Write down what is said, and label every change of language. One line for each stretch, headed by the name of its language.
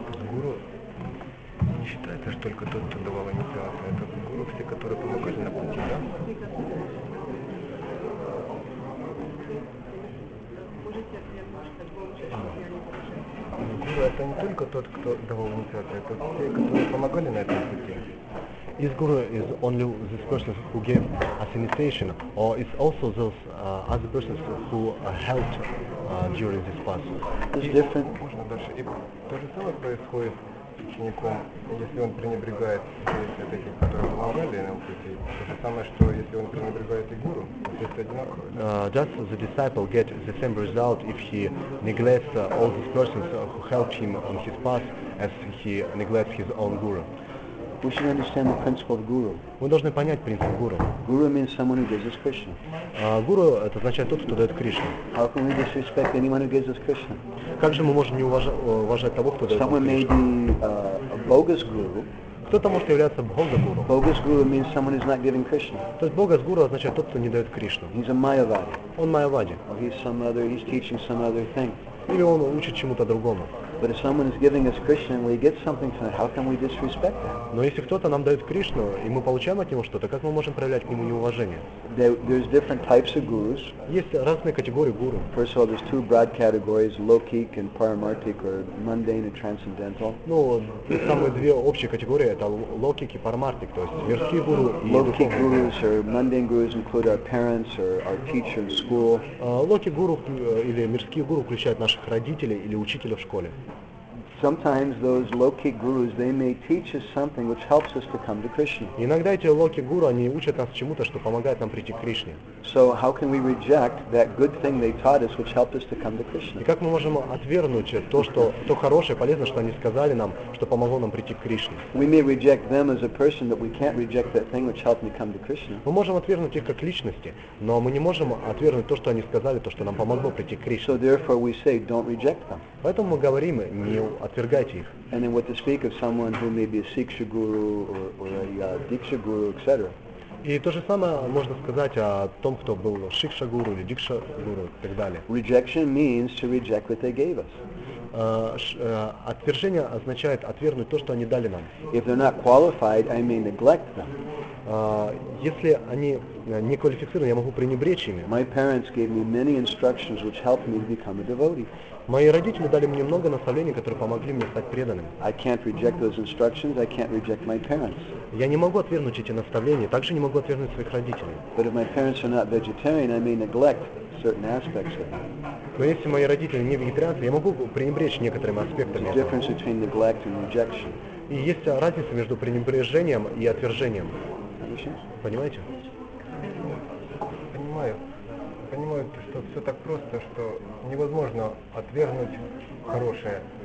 Russian: Гуру не считается, что только тот, кто давал инициацию. Это гуру все, которые помогали на пути, да? Гуру — это не только тот, кто давал инициацию, это те, которые помогали на этом пути.
English: Is guru is only this person who gave us initiation, or it's also those other persons who helped during this path? It's different.
Russian: Можно дальше. И то же самое происходит с учеником, если он пренебрегает этих, которые помогали на пути. То же самое, что если он пренебрегает и гуру.
English: Does the disciple get the same result if he neglects all these persons who helped him on his path as he neglects his own guru? We should understand the principle of guru.
Russian: Мы должны понять принцип гуру.
English: Guru means someone who gives us Krishna.
Russian: Гуру — это означает тот, кто дает Кришну.
English: How can we disrespect anyone who gives us Krishna?
Russian: Как же мы можем не уважать того, кто дает Кришну?
English: Someone may be a bogus guru.
Russian: Кто-то может являться бхога гуру.
English: Bogus guru means someone who's not giving Krishna.
Russian: То есть
English: bogus guru
Russian: означает тот, кто не дает Кришну.
English: He's a mayavadi.
Russian: Он майявади.
English: Or he's teaching some other thing.
Russian: Или он учит чему-то другому.
English: But if someone is giving us Krishna and we get something from it, how can we disrespect that?
Russian: Но если кто-то нам дает Кришну и мы получаем от него что-то, как мы можем проявлять к нему неуважение?
English: There's different types of gurus.
Russian: Есть разные категории гуру.
English: First of all, there's two broad categories: Laukik and Paramarthik, or mundane and transcendental.
Russian: Ну, самые две общие категории это Laukik и Paramarthik, то есть верхние гуру и
English: Laukik gurus or mundane gurus include our parents or our teacher in school.
Russian: Laukik гуру или мирские гуру включают наших родителей или учителя в школе.
English: Sometimes those low-key gurus, they may teach us something which helps us to come to Krishna.
Russian: Иногда эти low-key гуру, они учат нас чему-то, что помогает нам прийти к Кришне.
English: So how can we reject that good thing they taught us, which helped us to come to Krishna?
Russian: И как мы можем отвергнуть то, что то хорошее, полезное, что они сказали нам, что помогло нам прийти к Кришне?
English: We may reject them as a person, but we can't reject that thing which helped me come to Krishna.
Russian: Мы можем отвергнуть их как личности, но мы не можем отвергнуть то, что они сказали, то, что нам помогло прийти к Кришне.
English: So therefore we say, don't reject them.
Russian: Поэтому мы говорим, не отвергайте их.
English: And then what to speak of someone who may be a Siksha guru or a Diksha guru, etc.
Russian: И то же самое можно сказать о том, кто был Шикша гуру или Дикша гуру и так далее.
English: Rejection means to reject what they gave us.
Russian: Отвержение означает отвергнуть то, что они дали нам.
English: If they're not qualified, I may neglect them.
Russian: Если они не квалифицированы, я могу пренебречь ими.
English: My parents gave me many instructions which helped me to become a devotee.
Russian: Мои родители дали мне много наставлений, которые помогли мне стать преданным.
English: I can't reject those instructions, I can't reject my parents.
Russian: Я не могу отвергнуть эти наставления, также не могу отвергнуть своих родителей.
English: But if my parents are not vegetarian, I may neglect certain aspects of them.
Russian: Но если мои родители не вегетарианцы, я могу пренебречь некоторыми аспектами.
English: The difference between neglect and rejection.
Russian: И есть разница между пренебрежением и отвержением. Понимаете? Понимаю. Понимаю, что все так просто, что невозможно отвергнуть хорошее.